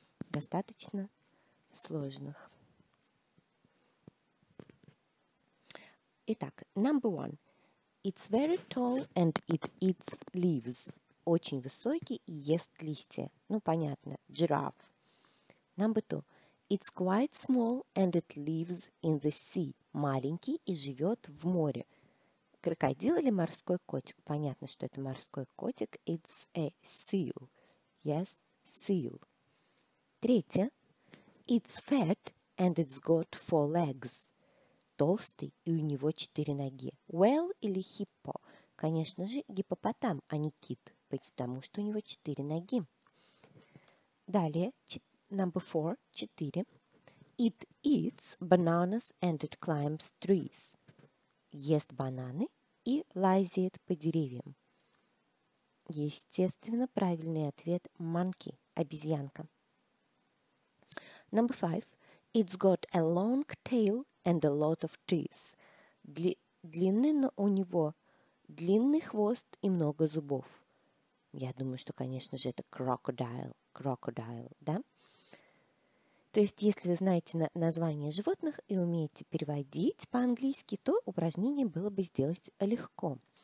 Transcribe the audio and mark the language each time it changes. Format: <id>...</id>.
<ru>Достаточно сложных. Итак,</ru> <en>number one. It's very tall and it eats leaves.</en> <ru>Очень высокий и ест листья. Ну, понятно, giraffe.</ru> <en>Number two. It's quite small and it lives in the sea.</en> <ru>Маленький и живет в море. Крокодил или морской котик? Понятно, что это морской котик.</ru> <en>It's a seal. Yes, seal.</en> <ru>Третье.</ru> <en>It's fat and it's got four legs.</en> <ru>Толстый и у него четыре ноги.</ru> <en>Whale</en> <ru>или</ru> <en>hippo?</en> <ru>Конечно же, гиппопотам, а не кит, потому что у него четыре ноги. Далее,</ru> <en>number four,</en> <ru>четыре.</ru> <en>It eats bananas and it climbs trees.</en> <ru>Ест бананы и лазит по деревьям. Естественно, правильный ответ – monkey, обезьянка.</ru> <en>Number five. It's got a long tail and a lot of teeth.</en> <ru>У него длинный хвост и много зубов. Я думаю, что, конечно же, это crocodile. Crocodile, да? То есть, если вы знаете название животных и умеете переводить по-английски, то упражнение было бы сделать легко.</ru>